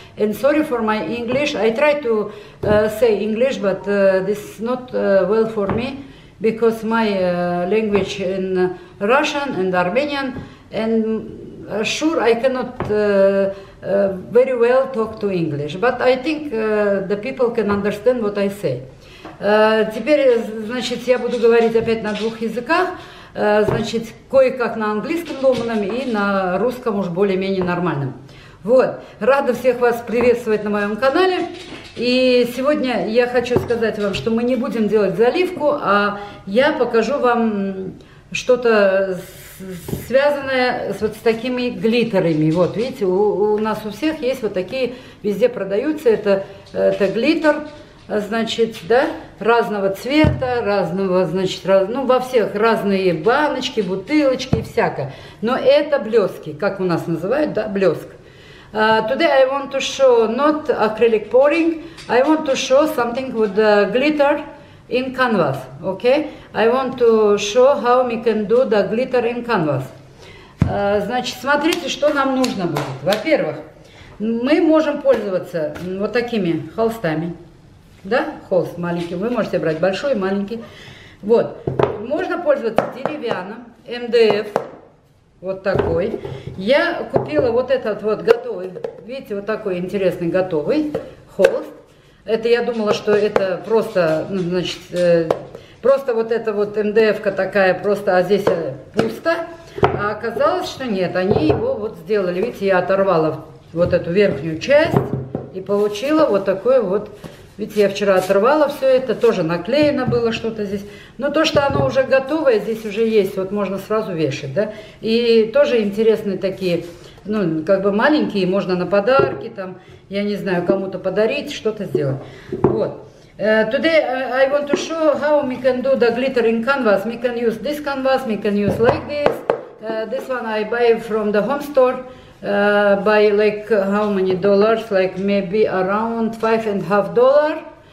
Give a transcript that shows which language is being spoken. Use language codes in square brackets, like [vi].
[en] And sorry for my English. I try to say English, but this is not well for me because my language in Russian and Armenian and sure, I cannot very well talk to English, but I think the people can understand what I say. [ru] Теперь, значит, я буду говорить опять на двух языках, значит, кое-как на английском ломаном и на русском уж более-менее нормальном. Вот, рада всех вас приветствовать на моем канале. И сегодня я хочу сказать вам, что мы не будем делать заливку, а я покажу вам что-то связанное с вот с такими глиттерами. Вот видите, у нас у всех есть вот такие, везде продаются, это глиттер, значит, да, разного цвета, разного, значит, ну во всех разные баночки, бутылочки, всякое. Но это блески, как у нас называют, да, блеск. [en] Today I want to show not acrylic pouring, I want to show something with the glitter in canvas, okay? I want to show how we can do the glitter in canvas. [ru] Значит, смотрите, что нам нужно будет. Во-первых, мы можем пользоваться вот такими холстами, да, холст маленький, вы можете брать большой и маленький. Вот, можно пользоваться деревянным, МДФ, вот такой. Я купила вот этот вот готовый, видите, вот такой интересный готовый холст. Это я думала, что это просто, ну, значит, просто вот эта вот МДФ-ка такая, просто, а здесь пусто. А оказалось, что нет, они его вот сделали. Видите, я оторвала вот эту верхнюю часть и получила вот такой вот. Видите, я вчера оторвала все это, тоже наклеено было что-то здесь. Но то, что оно уже готовое, здесь уже есть, вот можно сразу вешать, да. И тоже интересные такие, ну, как бы маленькие, можно на подарки там, я не знаю, кому-то подарить, что-то сделать. Вот. [en] Today I want to show how we can do the glitter in canvas. We can use this canvas, we can use like this. This one I buy from the home store. By like how many dollars, like maybe around $5.50.